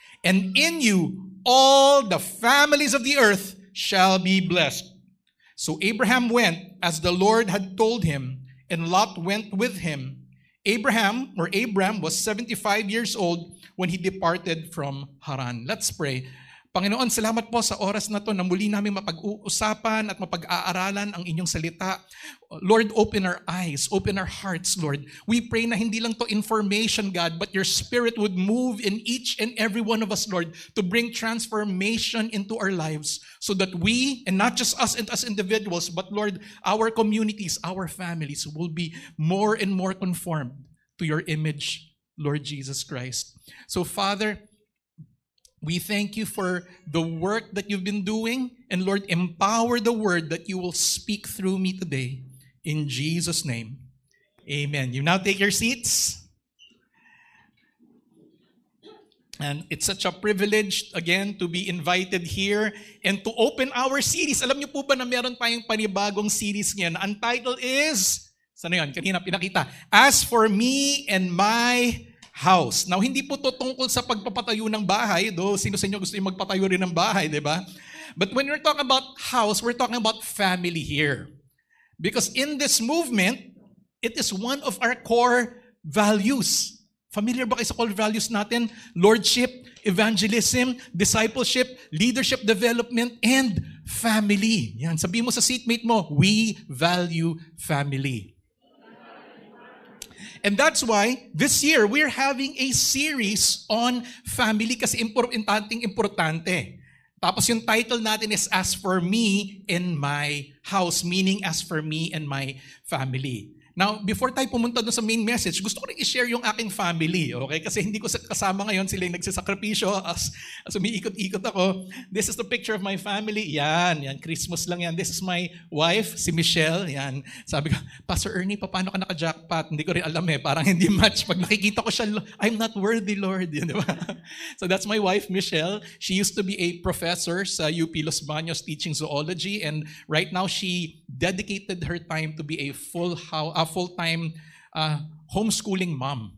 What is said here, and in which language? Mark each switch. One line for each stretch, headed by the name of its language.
English: And in you, all the families of the earth shall be blessed.' So Abraham went as the Lord had told him, and Lot went with him. Abram was 75 years old when he departed from Haran." Let's pray.
Filipino: Panginoon, salamat po sa oras na to na muli namin mapag-uusapan at mapag-aaralan ang inyong salita.
English: Lord, open our eyes, open our hearts, Lord. We pray
Filipino: na hindi lang to information,
English: God, but your spirit would move in each and every one of us, Lord, to bring transformation into our lives so that we, and not just us and as individuals, but Lord, our communities, our families will be more and more conformed to your image, Lord Jesus Christ. So Father, we thank you for the work that you've been doing. And Lord, empower the word that you will speak through me today. In Jesus' name, amen. You now take your seats. And it's such a privilege, again, to be invited here and to open our series.
Filipino: Alam niyo po ba na meron tayong panibagong series ngayon? Ang title is, sana yun, kanina pinakita,
English: "As for Me and My House."
Filipino: Now, hindi po to tungkol sa pagpapatayo ng bahay, though sino sa inyo gusto yung magpatayo rin ng bahay, di ba?
English: But when we're talking about house, we're talking about family here. Because in this movement, it is one of our core values.
Filipino: Familiar ba kayo sa core values natin? Lordship, evangelism, discipleship, leadership development, and family. Yan, sabi mo sa seatmate mo,
English: we value family. And that's why this year we're having a series on family
Filipino: kasi importante. Tapos yung title natin
English: is "As for Me and My House," meaning "As for Me and My Family."
Filipino: Now, before tayo pumunta dun sa main message, gusto ko rin i-share yung aking family, okay? Kasi hindi ko kasama ngayon, sila yung nagsisakripisyo as umiikot-ikot ako.
English: This is the picture of my family.
Filipino: Yan, Christmas lang yan.
English: This is my wife, si Michelle, yan.
Filipino: Sabi ko, "Pastor Ernie, paano ka naka-jackpot?" Hindi ko rin alam eh, parang hindi match. Pag nakikita ko siya,
English: "I'm not worthy, Lord," yan, di ba? So that's my wife, Michelle. She used to be a professor sa UP Los Baños teaching zoology, and right now she dedicated her time to be a full-time homeschooling mom.